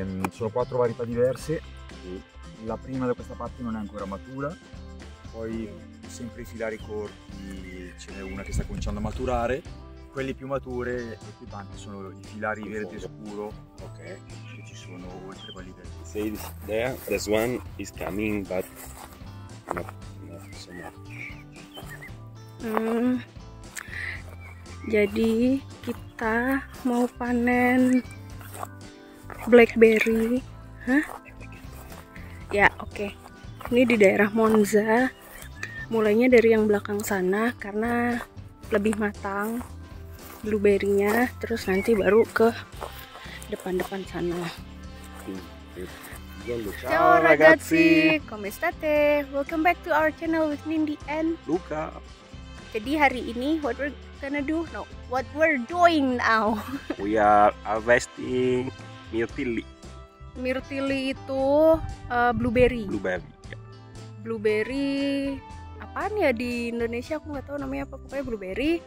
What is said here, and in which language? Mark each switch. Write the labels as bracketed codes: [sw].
[it] Sono quattro varietà diverse. La prima da questa parte non è ancora matura, poi sempre i filari corti ce n'è una che sta cominciando a maturare. Quelle più mature e più tante sono i filari in verde fondo scuro, ok, che ci sono oltre quelli del. [en] Say this there, this one is coming, but not so much. [id] Jadi kita mau panen blackberry, hah? Ya, oke. Okay. Ini di daerah Monza. Mulainya dari yang belakang sana karena lebih matang blueberry-nya, terus nanti baru ke depan-depan sana. [it] Ciao ragazzi, come state? [en] Welcome back to our channel with Nindi and Luca. [id] Jadi hari ini [en] what we're gonna do? No, what we're doing now? We are harvesting mirtilli. [id] Mirtilli itu blueberry. [en] Blueberry. Yeah. [id] Blueberry apaan ya di Indonesia, aku nggak tahu namanya apa, pokoknya blueberry.